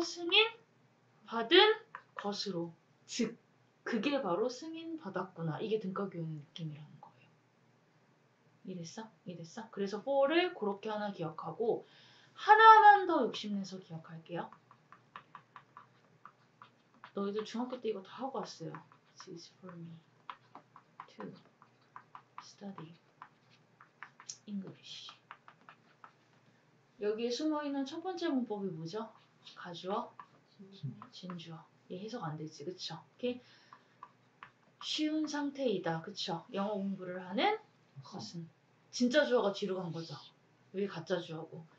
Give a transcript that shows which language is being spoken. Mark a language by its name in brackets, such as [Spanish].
[Korean] 승인받은 것으로. 즉 그게 바로 승인 받았구나. 이게 등가 교환 느낌이라는 거예요. 이랬어? 이랬어? 그래서 4를 그렇게 하나 기억하고 하나만 더 욕심내서 기억할게요. 너희들 중학교 때 이거 다 하고 왔어요. [English] This is for me to study English. [Korean] 여기에 숨어있는 첫 번째 문법이 뭐죠? 가주어? 진주어. 얘 해석 안 되지, 그쵸? 오케이? 쉬운 상태이다. 그쵸? 영어 공부를 하는 것은 진짜 주어가 뒤로 간 거죠. 여기 가짜 주어고.